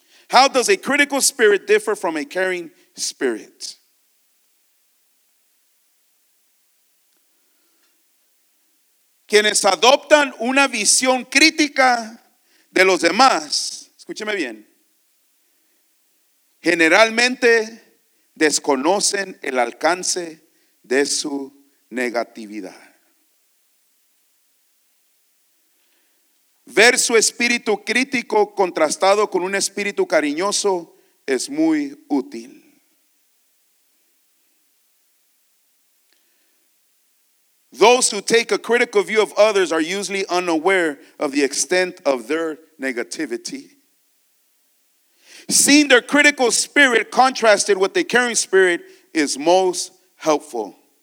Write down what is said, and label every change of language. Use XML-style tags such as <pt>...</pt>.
<en>How does a critical spirit differ from a caring spirit?</en> <es>Quienes adoptan una visión crítica de los demás, escúcheme bien, generalmente desconocen el alcance de su negatividad. Ver su espíritu crítico contrastado con un espíritu cariñoso es muy útil.</es> <en>Those who take a critical view of others are usually unaware of the extent of their negativity. Seeing their critical spirit contrasted with the caring spirit is most helpful.</en>